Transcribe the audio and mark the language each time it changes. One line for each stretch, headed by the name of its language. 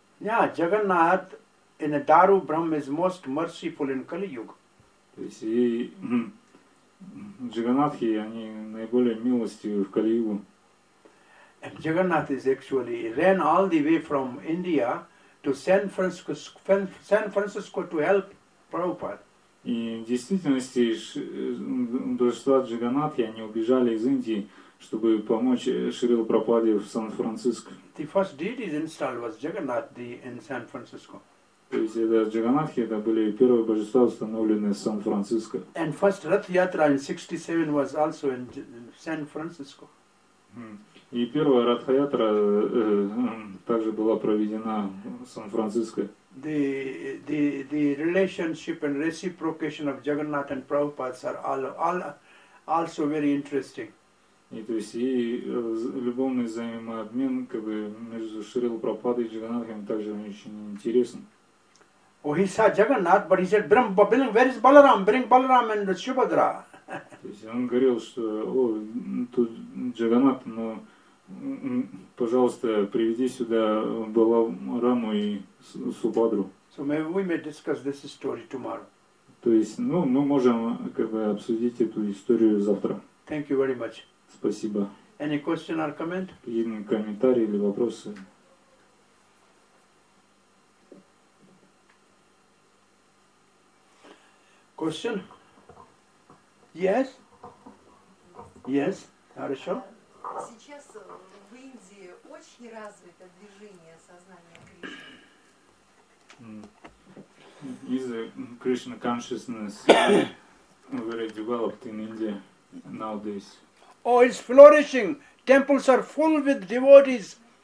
English: Yeah, Jagannath in the Daru Brahm is most merciful in Kali Yuga.
Russian: То есть и Джаганнатхи, они наиболее милостивы в Кали Югу.
English: And Jagannath is actually ran all the way from India to San Francisco to help Prabhupada.
Russian: И в действительности божества Джаганнатхи, они убежали из Индии, чтобы помочь Шрилу Прабхупаде в Сан-Франциско.
English: The first deity installed was Jagannath Di in San Francisco.
Russian: То есть это Джаганнатхи, это были первые божества, установленные в Сан-Франциско.
English: And first Rath Yatra in 67 was also in San Francisco.
Russian: И первая Ратха Ятра также была проведена в Сан-Франциско.
English: The relationship and reciprocation of Jagannath and Prabhupada are all also very interesting.
Russian: И то есть и любовный взаимообмен как бы между Шрилой Прабхупадой и Джаганнатхом также очень интересен.
English: Oh, he saw Jagannath, but he said, "Brahma, where is Balaram? Bring Balaram and Subhadra."
Russian: То есть он говорил, что, о, тут Джаганнат, но, пожалуйста, приведи сюда Балараму и Субхадру.
English: So maybe we may discuss this story tomorrow.
Russian: То есть, ну, мы можем как бы обсудить эту историю завтра.
English: Thank you very much.
Russian: Спасибо.
English: Any question or comment?
Russian: Какие комментарии или вопросы?
English: Question? Yes? Yes?
Russian: Хорошо? Сейчас в Индии очень развито движение сознания Кришны.
English: Is the Krishna consciousness very developed in India nowadays? Oh, it's flourishing. Temples are full with devotees.